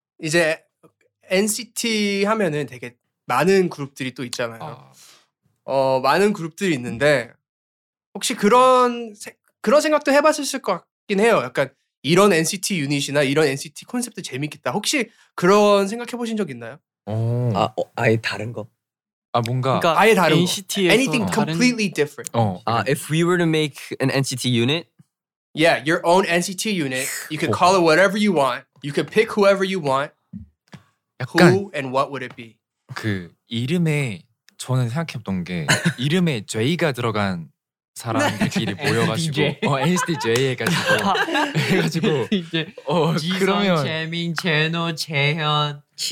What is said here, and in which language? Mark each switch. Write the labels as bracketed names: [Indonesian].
[Korean] 이제 NCT 하면은 되게 많은 그룹들이 또 있잖아요. 많은 그룹들이 있는데 혹시 그런 생각도 해봤을 것 같긴 해요. 약간 이런 NCT 유닛이나 이런 NCT 콘셉트 재밌겠다. 혹시 그런 생각해보신 적 있나요? 아예 다른 거? 아 뭔가 그러니까 아예 다른 NCT에서 거. [English] Anything completely different. If we were to make an NCT unit? Yeah, your own NCT unit. You could call it whatever you want. You could pick whoever you want. [Korean] 약간. [English] Who and what would it be? [Korean] 그 이름에 저는 생각했던 게 이름에 J가 들어간 사람들끼리 네. 모여가지고 NCT J 해가지고 해가지고 지성, 그러면 재민, 제노, 재현,